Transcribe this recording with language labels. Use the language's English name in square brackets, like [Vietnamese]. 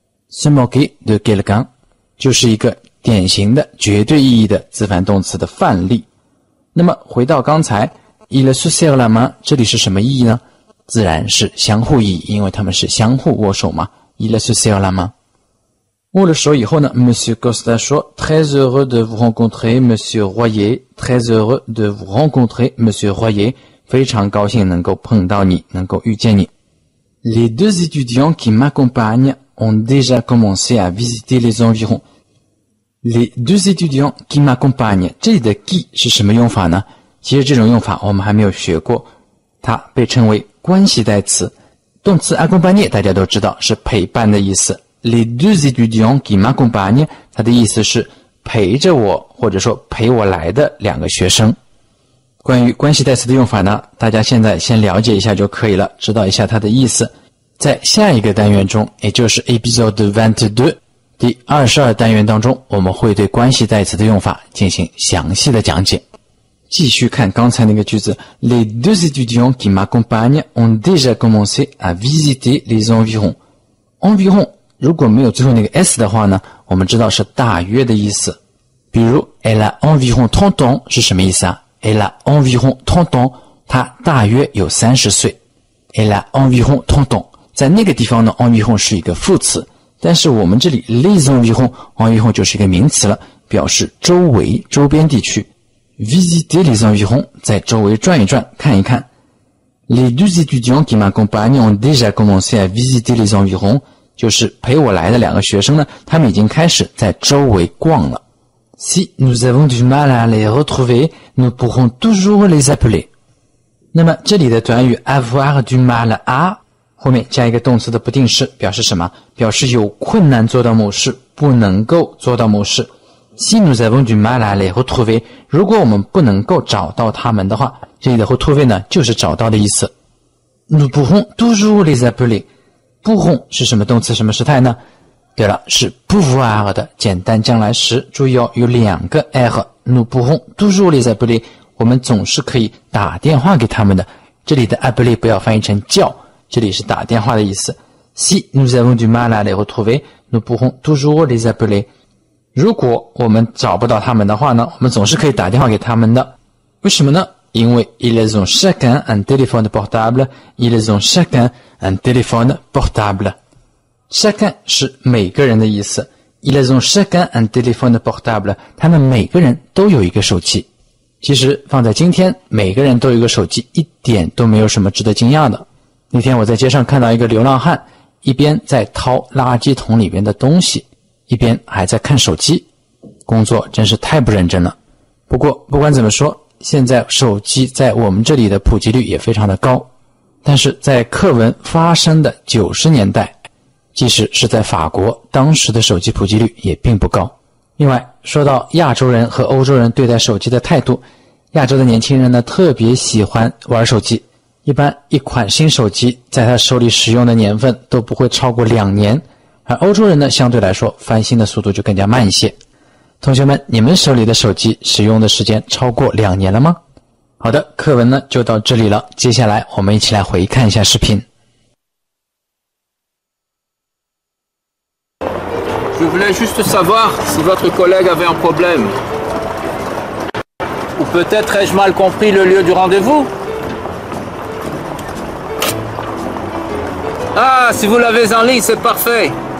[French] se moquer de quelqu'un [Chinese] 就是一个典型的绝对意义的自反动词的范例。那么回到刚才 [French] il se serre la main， [Chinese] 这里是什么意义呢？自然是相互意义，因为他们是相互握手嘛。 [French] il se serre la main。 [Chinese] 握了手以后呢， Monsieur Costa 说 [French] très heureux de vous rencontrer Monsieur Royer， [Chinese] très heureux de vous rencontrer Monsieur Royer， 非常高兴能够碰到你，能够遇见你。 [French] Les deux étudiants qui m'accompagnent ont déjà commencé à visiter les environs。 Les deux étudiants qui m'accompagnent， [Chinese] 这里的 qui 是什么用法呢？其实这种用法我们还没有学过，它被称为关系代词。动词 accompagner 大家都知道是陪伴的意思， [French] Les deux étudiants qui m'accompagnent， [Chinese] 它的意思是陪着我，或者说陪我来的两个学生。关于关系代词的用法呢，大家现在先了解一下就可以了，知道一下它的意思。在下一个单元中，也就是 episode 22， 第22单元当中，我们会对关系代词的用法进行详细的讲解。继续看刚才那个句子， [French] Les deux étudiants qui m'accompagnent ont déjà commencé à visiter les environs。 [Chinese] environ如果没有最后那个 s 的话呢，我们知道是大约的意思。比如 [French] elle a environ 30 ans [Chinese] 是什么意思啊？ elle a environ 30 ans， 她大约有30岁。 [French] elle a environ 30 ans， [Chinese] 在那个地方呢 environ 是一个副词，但是我们这里 [French] les environ， [Chinese] environ 就是一个名词了，表示周围周边地区。 [French] visiter les environ， [Chinese] 在周围转一转看一看。 [French] les deux étudiants qui m'accompagnent ont déjà commencé à visiter les environ， [Chinese] 就是陪我来的两个学生呢，他们已经开始在周围逛了。 [French] Si nous avons du mal à les retrouver, nous pourrons toujours les appeler。 [Chinese] 那么这里的短语 avoir du mal à 后面加一个动词的不定式，表示什么？表示有困难做到某事，不能够做到某事。 [French] Si nous avons du mal à les retrouver, [Chinese] 如果我们不能够找到他们的话，这里的 retrouver 呢就是找到的意思。 [French] Nous pourrons toujours les appeler， [Chinese] 不哄是什么动词什么时态呢？对了，是 pouvoir 的简单将来时。注意哦，有两个 r， [French] nous pouvons toujours les appeler， [Chinese] 我们总是可以打电话给他们的。这里的 appeler 不要翻译成叫，这里是打电话的意思。 [French] Si nous avons du mal à les retrouver, nous pouvons toujours les appeler， [Chinese] 如果我们找不到他们的话呢，我们总是可以打电话给他们的。为什么呢？因为 [French] ils ont chacun un téléphone portable， ils ont chacun un téléphone portable， chacun [Chinese] 是每个人的意思， [French] ils ont chacun un téléphone portable， [Chinese] 他们每个人都有一个手机。其实放在今天，每个人都有一个手机一点都没有什么值得惊讶的。那天我在街上看到一个流浪汉，一边在掏垃圾桶里面的东西，一边还在看手机。工作真是太不认真了。不过不管怎么说，现在手机在我们这里的普及率也非常的高，但是在课文发生的90年代，即使是在法国，当时的手机普及率也并不高。另外，说到亚洲人和欧洲人对待手机的态度，亚洲的年轻人呢特别喜欢玩手机，一般一款新手机在他手里使用的年份都不会超过两年，而欧洲人呢相对来说翻新的速度就更加慢一些。同学们，你们手里的手机使用的时间超过两年了吗？好的，课文呢就到这里了，接下来我们一起来回看一下视频。 [French] Je voulais juste savoir si votre collègue avait un problème. Ou peut-être ai-je mal compris le lieu du rendez-vous? Ah, si vous l'avez en ligne, c'est parfait.